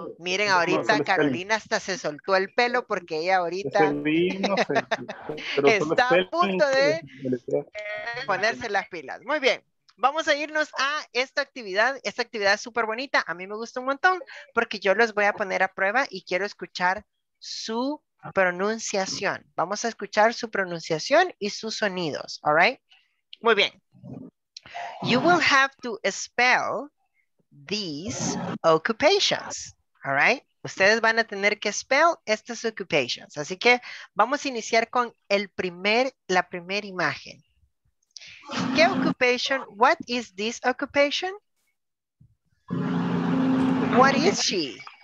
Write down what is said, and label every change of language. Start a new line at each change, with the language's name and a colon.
Spanish: Miren, ahorita Carolina hasta se soltó el pelo porque ella ahorita está a punto de ponerse las pilas. Muy bien, vamos a irnos a esta actividad. Esta actividad es súper bonita. A mí me gusta un montón porque yo los voy a poner a prueba y quiero escuchar su pronunciación. Vamos a escuchar su pronunciación y sus sonidos.
English: All right, muy bien. You will have to spell these occupations, all right?
Spanish: Ustedes van a tener que spell estas occupations. Así que vamos a iniciar con la primera imagen.
English: ¿Qué occupation? What is this occupation? What is she?